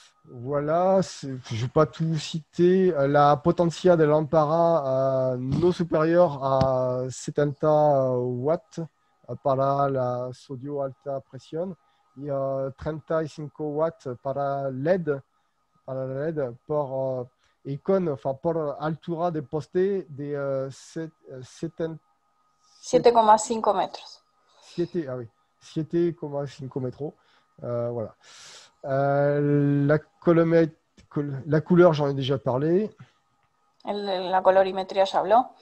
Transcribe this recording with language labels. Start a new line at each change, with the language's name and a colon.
French: Voilà, je ne vais pas tout citer.
Spanish: La potencia de lampara no superior a 70 watts para la sodio alta presión y 35 watts para la LED por icon, enfin por altura de poste de 70. 7,5 metros.
French: 7, ah oui, 7,5 métros. Voilà. La couleur, j'en ai déjà parlé.
Spanish: La colorimetría ya habló.